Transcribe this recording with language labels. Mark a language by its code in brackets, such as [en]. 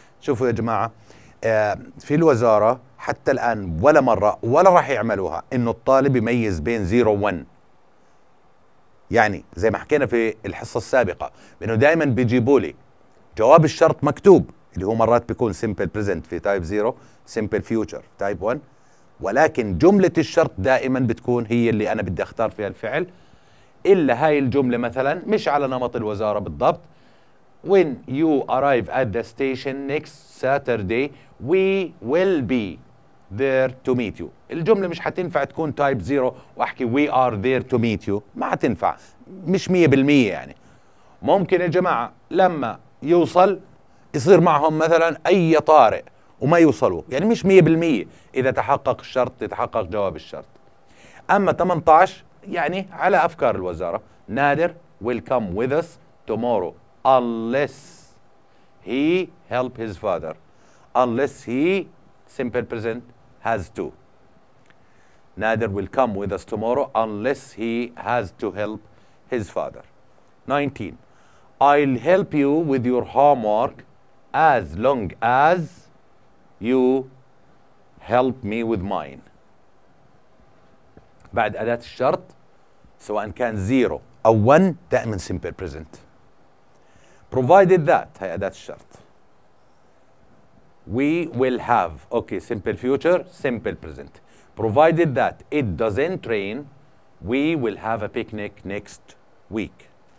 [ar] شوفوا يا جماعة، في الوزارة حتى الآن ولا مرة ولا راح يعملوها إنه الطالب يميز بين 0 و 1، يعني زي ما حكينا في الحصة السابقة إنه دائما بيجيبوا لي جواب الشرط مكتوب، اللي هو مرات بيكون simple present في type 0 simple future في type 1، ولكن جملة الشرط دائما بتكون هي اللي أنا بدي أختار فيها الفعل. إلا هاي الجملة مثلا مش على نمط الوزارة بالضبط. [en] When you arrive at the station next Saturday, we will be there to meet you. [ar] الجملة مش حتنفع تكون type 0 وأحكي [en] we are there to meet you، [ar] ما حتنفع، مش 100% يعني. ممكن يا جماعة لما يوصل يصير معهم مثلا أي طارئ وما يوصلوا، يعني مش 100% إذا تحقق الشرط يتحقق جواب الشرط. أما 18 يعني على أفكار الوزارة، [en] نادر will come with us tomorrow unless he help his father. Unless he simple present has to. Nader will come with us tomorrow unless he has to help his father. 19. I'll help you with your homework as long as you help me with mine. [ar] بعد أداة الشرط سواء كان 0 أو 1 دائما simple present. [en] Provided that [ar] هي أداة الشرط. [en] We will have okay simple future simple present. Provided that it doesn't rain, we will have a picnic next week.